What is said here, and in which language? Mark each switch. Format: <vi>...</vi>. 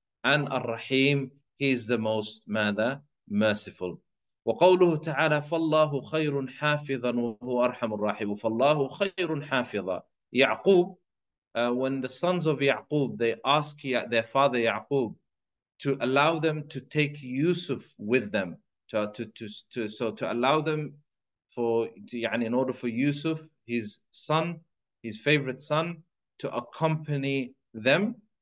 <en>And al-rahim, he is the most ماذا? Merciful.</en> <ar>وقوله تعالى فالله خير حافظا وهو أرحم الراحم. فالله خير حافظا.</ar> <en>يعقوب, when the sons of Ya'qub, they ask their father Ya'qub to allow them to take Yusuf with them. To allow them in order for Yusuf, his son, his favorite son, to accompany them.</en>